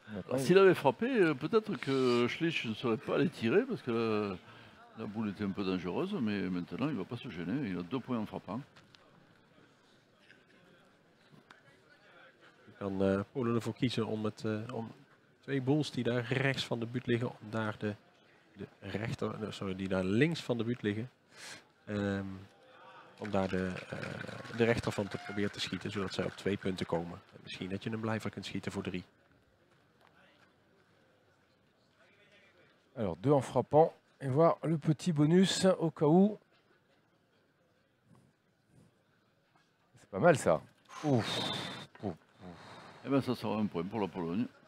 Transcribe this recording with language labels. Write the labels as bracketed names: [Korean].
[French] Alors, s'il avait frappé, peut-être que Schlich ne serait pas allé tirer parce que la boule était un peu dangereuse, mais maintenant il ne va pas se gêner, il a deux points en frappant. [Dutch] Je kan Polen ervoor kiezen om, het, om twee boules die daar rechts van de buurt liggen, om daar de rechter, sorry, die daar links van de buurt liggen, om daar de rechter van te proberen te schieten, zodat zij op twee punten komen. En misschien dat je een blijver kunt schieten voor drie. [French] Alors deux en frappant et voir le petit bonus au cas où. C'est pas mal ça. Ouf. Eh bien ça sera un point pour la Pologne.